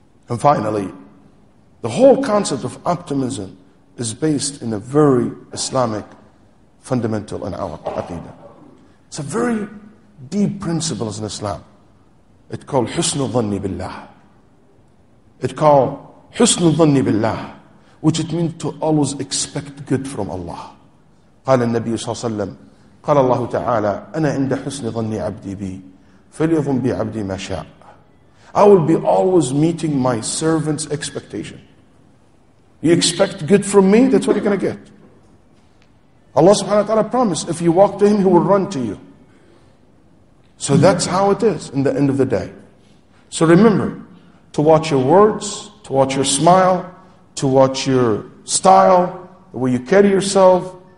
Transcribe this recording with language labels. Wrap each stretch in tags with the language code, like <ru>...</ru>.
<en>And finally, the whole concept of optimism is based in a very Islamic fundamental in our aqeedah. It's a very deep principles in Islam. It's called husnul dhanni billah. It's called husnul dhanni billah, which it means to always expect good from Allah.</en> <ar>قال النبي صلى الله عليه وسلم قال الله تعالى أنا عند حسن ظني عبدي بي فليظن بي عبدي ما شاء.</ar> <en>I will be always meeting my servant's expectation. You expect good from me, that's what you're going to get. Allah subhanahu wa ta'ala promised, if you walk to him, he will run to you. So that's how it is in the end of the day. So remember, to watch your words, to watch your smile, to watch your style, the way you carry yourself.</en>